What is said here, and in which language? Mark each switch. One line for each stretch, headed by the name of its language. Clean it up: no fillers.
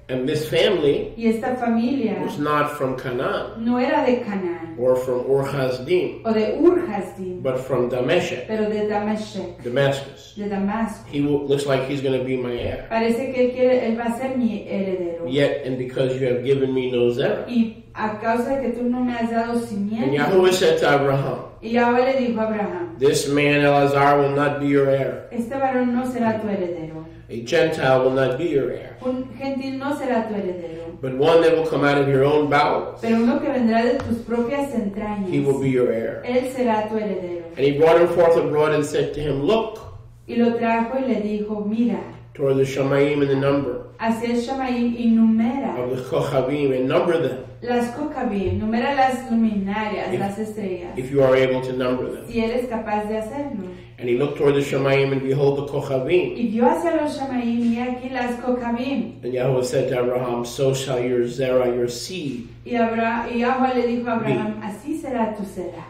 English: And this family.
Spanish: Y esta familia.
English: Was not from Canaan.
Spanish: No era de Canaan.
English: Or from Ur Hasdim.
Spanish: O de Ur Hasdim.
English: But from Damashek.
Spanish: Pero de Damashek.
English: Damascus.
Spanish: De Damasco.
English: He looks like he's going to be my heir.
Spanish: Parece que él quiere, él va a ser mi heredero.
English: Yet, and because you have given me no Zerah.
Spanish: A causa de que tú no me has dado simiente.
English: And Yahweh said to Abraham,
Spanish: y Yahweh le dijo a Abraham,
English: this man Elazar will not be your heir.
Spanish: Este varón no será tu heredero.
English: A Gentile will not be your heir.
Spanish: Un gentil no será tu heredero.
English: But one that will come out of your own bowels.
Spanish: Pero uno que vendrá de tus propias entrañas.
English: He will be your heir.
Spanish: Él será tu heredero.
English: And he brought him forth abroad and said to him, look.
Spanish: Y lo trajo y le dijo, mira.
English: Toward the Shamayim and the number.
Spanish: Hacia el Shamayim y numera.
English: Of the Kochavim and number them.
Spanish: Las Kochavim, numera las luminarias, las estrellas.
English: If you are able to number them.
Spanish: Si eres capaz de hacerlo.
English: And he looked toward the Shamayim and behold the Kochavim.
Spanish: Y vio hacia los Shamayim y aquí las Kochavim.
English: And Yahweh said to Abraham, so shall your Zerah, your seed.
Spanish: Y Yahweh le dijo a Abraham, así será tu Zerah.